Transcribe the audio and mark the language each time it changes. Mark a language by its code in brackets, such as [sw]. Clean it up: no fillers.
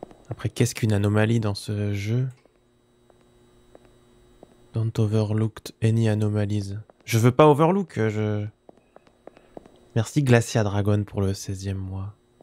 [fr] Après, qu'est-ce qu'une anomalie dans ce jeu? [en] Don't overlook any anomalies. [fr] Je veux pas overlook, je... Merci Glacia Dragon pour le 16e mois.